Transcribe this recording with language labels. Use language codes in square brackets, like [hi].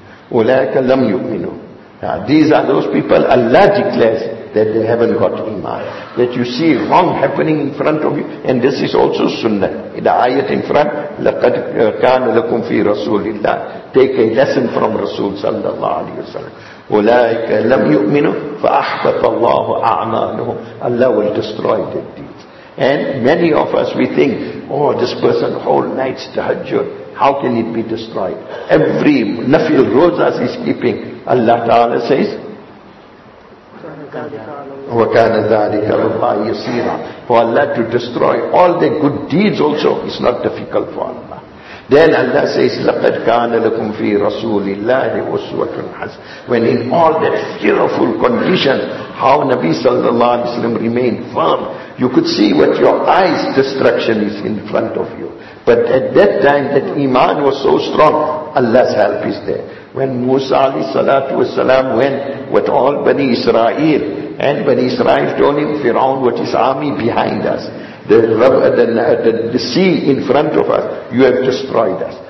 [en] Ulaika lam yu'minu. Now, these are those people, Allah declares that they haven't got iman. That you see wrong happening in front of you. And this is also sunnah. In the ayat in front, [ar] لَقَدْ كَانَ لَكُمْ فِي رَسُولِ اللَّهِ. [en] Take a lesson from Rasul sallallahu alayhi wa sallam. [ar] أُولَٰئِكَ لَمْ يُؤْمِنُوا فَأَحْبَطَ اللَّهُ أَعْمَالُهُمْ. [en] Allah will destroy their deeds. And many of us, we think, oh, this person whole night's tahajjud. How can it be destroyed? Every nafil rozas is keeping. Allah Ta'ala says, [ar] وَكَانَ ذَٰلِكَ اللَّهِ يَسِيرًا. [en] For Allah to destroy all the good deeds also, it's not difficult for Allah. Then Allah says, [ar] لَقَدْ كَانَ لَكُمْ فِي رَسُولِ اللَّهِ أُسْوَةٌ حَسَنَةٌ. [en] When in all that fearful condition, how Nabi Sallallahu Alaihi Wasallam remained firm, you could see what your eyes' destruction is in front of you. But at that time, that iman was so strong, Allah's help is there. When Musa alayhi salatu was salam went with all Bani Israel, and Bani Israel told him, Fir'aun with his army behind us, the sea in front of us, you have destroyed us.